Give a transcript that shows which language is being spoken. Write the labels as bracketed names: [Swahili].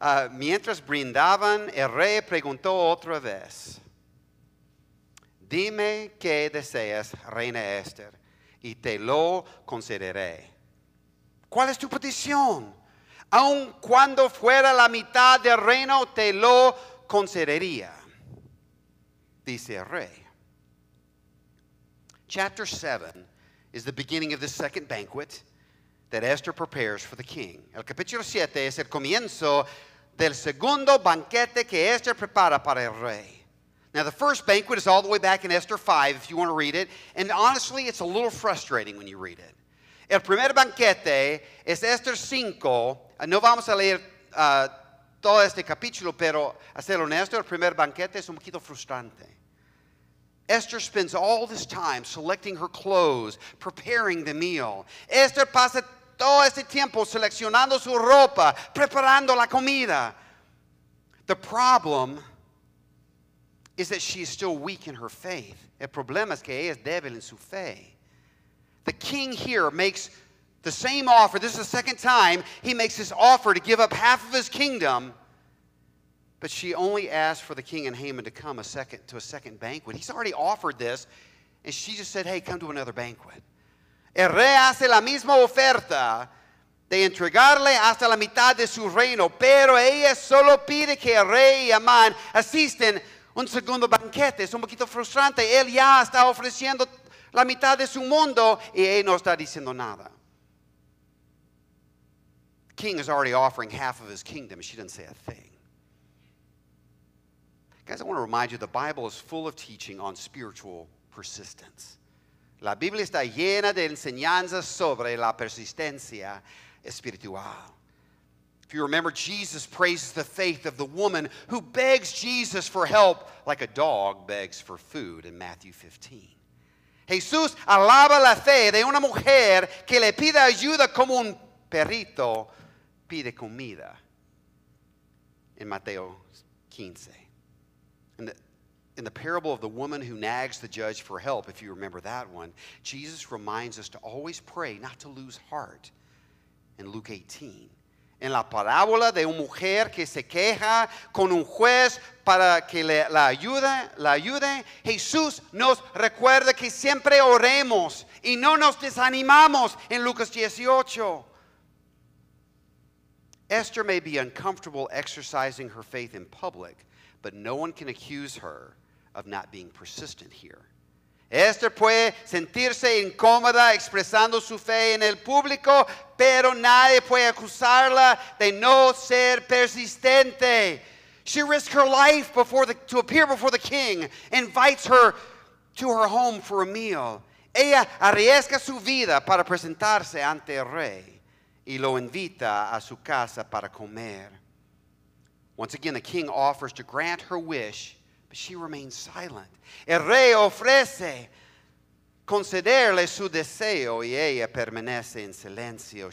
[Spanish] Mientras brindaban, el rey preguntó otra vez, "Dime qué deseas, reina Esther, y te lo concederé." ¿Cuál es tu petición? Aun cuando fuera la mitad del reino, te lo concedería. Dice el rey. [English] Chapter 7 is the beginning of the second banquet that Esther prepares for the king. [Spanish] El capítulo 7 es el comienzo del segundo banquete que Esther prepara para el rey. [English] Now, the first banquet is all the way back in Esther 5, if you want to read it. And honestly, it's a little frustrating when you read it. [Spanish] El primer banquete es Esther 5. No vamos a leer todo este capítulo, pero a ser honesto, el primer banquete es un poquito frustrante. [English] Esther spends all this time selecting her clothes, preparing the meal. [Spanish] Esther pasa todo este tiempo seleccionando su ropa, preparando la comida. [English] The problem is that she is still weak in her faith. [Spanish] El problema es que ella es débil en su fe. [English] The king here makes the same offer. This is the second time he makes this offer to give up half of his kingdom. But she only asked for the king and Haman to come to a second banquet. He's already offered this, and she just said, "Hey, come to another banquet." [Spanish] El rey hace la misma oferta de entregarle hasta la mitad de su reino, pero ella solo pide que el rey y Amán asisten un segundo banquete. Es un poquito frustrante. Él ya está ofreciendo la mitad de su mundo y él no está diciendo nada. [English] The king is already offering half of his kingdom, and she didn't say a thing. Guys, I want to remind you, the Bible is full of teaching on spiritual persistence. [Spanish] La Biblia está llena de enseñanzas sobre la persistencia espiritual. [English] If you remember, Jesus praises the faith of the woman who begs Jesus for help like a dog begs for food in Matthew 15. [Spanish] Jesús alaba la fe de una mujer que le pide ayuda como un perrito pide comida in Mateo 15. [English] In the parable of the woman who nags the judge for help, if you remember that one, Jesus reminds us to always pray not to lose heart in Luke 18. [Spanish] En la parábola de una mujer que se queja con un juez para que la ayude, Jesús nos recuerda que siempre oremos y no nos desanimamos en Lucas 18. [English] Esther may be uncomfortable exercising her faith in public, but no one can accuse her of not being persistent here. [Spanish] Esther puede sentirse incómoda expresando su fe en el público, pero nadie puede acusarla de no ser persistente. [English] She risks her life to appear before the king, invites her to her home for a meal. [Spanish] Ella arriesga su vida para presentarse ante el rey y lo invita a su casa para comer. [English] Once again, the king offers to grant her wish, but she remains silent. [Spanish] El rey ofrece concederle su deseo y ella permanece en silencio.